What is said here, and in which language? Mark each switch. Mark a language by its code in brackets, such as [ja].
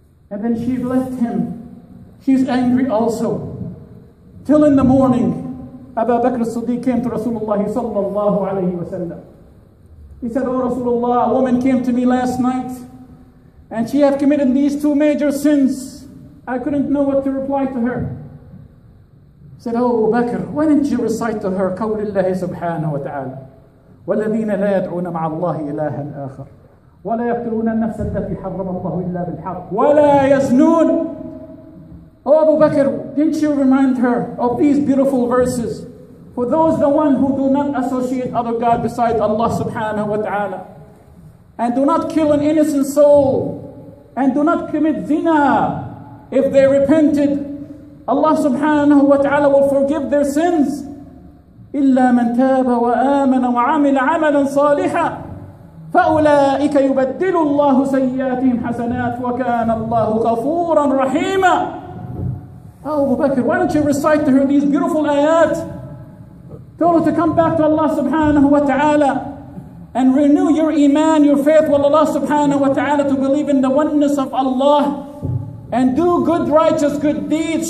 [en] And then she left him. She's angry also. Till in the morning, Abu Bakr as-Siddiq came to Rasulullah sallallahu alayhi wa sallam. He said, oh Rasulullah, a woman came to me last night and she had committed these two major sins. I couldn't know what to reply to her. He said, oh Abu Bakr, why didn't you recite to her [ar] قول الله سبحانه وتعالى والذين لا يدعون مع الله إلها آخر ولا يقتلون النفس التي حرم الله إلا بالحق ولا يزنون. [en] Oh Abu Bakr, didn't you remind her of these beautiful verses? For those the one who do not associate other God besides Allah subhanahu wa ta'ala, and do not kill an innocent soul, and do not commit zina, if they repented, Allah subhanahu wa ta'ala will forgive their sins. [ar] إِلَّا مَنْ تَابَ وَآمَنَ وَعَمِلَ عَمَلًا صَالِحًا. فأولئك يبدل الله سيئاتهم حسنات وكان الله غفورا رحيما. [en] Abu Bakr, why don't you recite to her these beautiful ayat? Tell her to come back to Allah subhanahu wa ta'ala and renew your iman, your faith with Allah subhanahu wa ta'ala, to believe in the oneness of Allah and do good, righteous, good deeds.